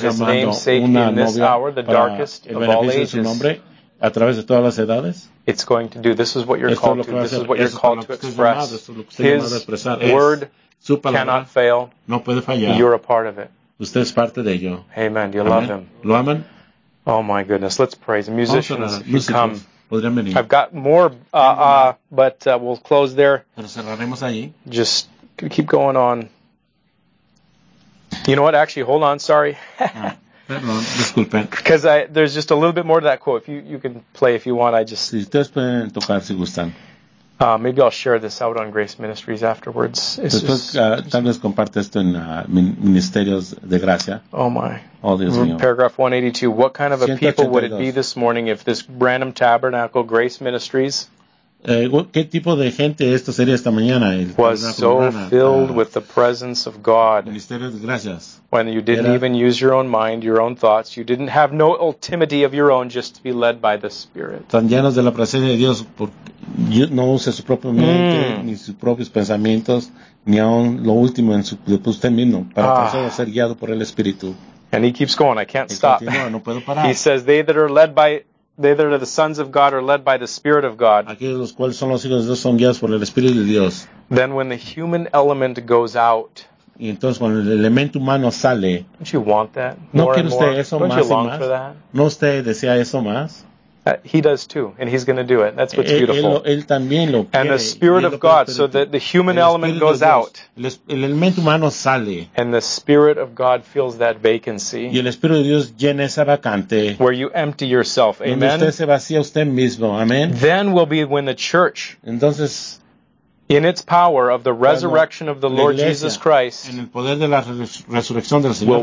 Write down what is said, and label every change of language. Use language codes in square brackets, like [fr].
[en] for his name's sake in this hour, the darkest of all ages. [es] De su nombre, a través de todas las edades. [en] It's going to do. This is what you're [es] esto [en] called to. This is what you're called to express. His word. [es] Su palabra [en] cannot fail. [es] No puede fallar. [en] You're a part of it. [es] Usted es parte de ello. [en] Amen. Do you amen. Love him? [es] Lo aman? [en] Oh my goodness. Let's praise. Musicians, you come. [es] Podrían venir. [en] I've got more, but we'll close there. [es] Pero cerraremos ahí. [en] Just keep going on. You know what? Actually, hold on. Sorry. [es] Perdón, disculpen. [en] Because there's just a little bit more to that quote. If you can play if you want, I just... [es] Si ustedes pueden tocar, si gustan. [en] Maybe I'll share this out on Grace Ministries afterwards. It's [es] después, [en] just, [es] tal vez comparte esto en Ministerios de Gracia. [en] Oh my. [es] Oh, Dios mío. [en] Paragraph 182. What kind of a people would it be this morning if this Branham Tabernacle Grace Ministries... [es] ¿Qué tipo de gente esto sería esta mañana? El [en] was so Rana, filled with the presence of God. [es] Ministerios de Gracias. [en] When you didn't even use your own mind, your own thoughts, you didn't have no ultimacy of your own, just to be led by the Spirit. [es] Están llenos de la presencia de Dios porque no use su propia mente, ni sus propios pensamientos, ni aun lo último en su usted mismo, para pasar a ser guiado por el Espíritu. [en] And he keeps going, I can't [es] y [en] stop. [es] Continúa, no puedo parar. [en] He says, they that are led by... They that are the sons of God are led by the Spirit of God. [es] Aquellos los cuales son los hijos de Dios son guiados por el Espíritu de Dios. [en] Then when the human element goes out. [es] Y entonces cuando el elemento humano sale. [en] Don't you want that? [es] No quiere usted [en] more? [es] Eso [en] don't [es] más [en] you long [es] y más? [en] For that? [es] No usted desea eso más? [en] He does too, and he's going to do it. That's what's beautiful. [es] Él también lo quiere. [en] And the Spirit of God, so that the human element goes out. [es] El elemento humano sale. [en] And the Spirit of God fills that vacancy. [es] Y el Espíritu de Dios llena esa vacante. [en] Where you empty yourself, amen? [es] Donde usted se vacía usted mismo, amen? [en] Then will be when the church, [es] entonces, [en] in its power of the resurrection of the Lord Jesus Christ, [es] en el poder de la resurrección del Señor